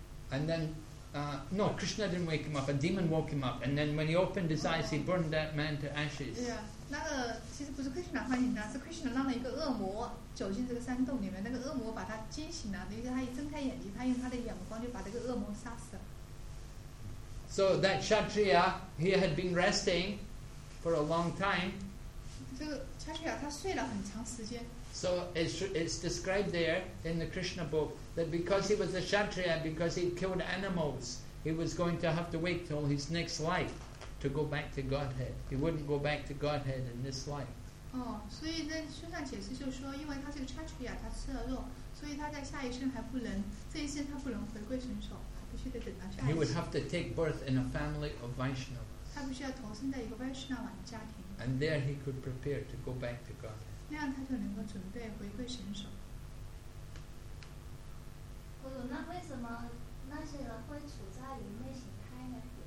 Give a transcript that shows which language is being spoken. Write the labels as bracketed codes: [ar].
[en] and then no Krishna didn't wake him up a demon woke him up and then when he opened his eyes he burned that man to ashes [zh] 对啊那个其实不是 Krishna 唤醒他是 Krishna 让了一个恶魔走进这个山洞里面那个恶魔把他惊醒了于是他一睁开眼睛他用他的眼光就把这个恶魔杀死了 [en] So that Kshatriya he had been resting for a long time [zh] 这个 Kshatriya 他睡了很长时间 [en] So it's described there in the Krishna book that because he was a Kshatriya because he killed animals he was going to have to wait till his next life to go back to Godhead he wouldn't go back to Godhead in this life [zh] 所以在书上解释就是说因为他这个 Kshatriya 他吃了肉所以他在下一生还不能这一生他不能回归神手他必须得等到下一生 [en] He would have to take birth in a family of Vaishnavas [zh] 他必须要投身在一个 Vaishnava 的家庭 [en] And there he could prepare to go back to God [zh] 那样他就能够准备回归神手那为什么那些人会处在愚昧形态呢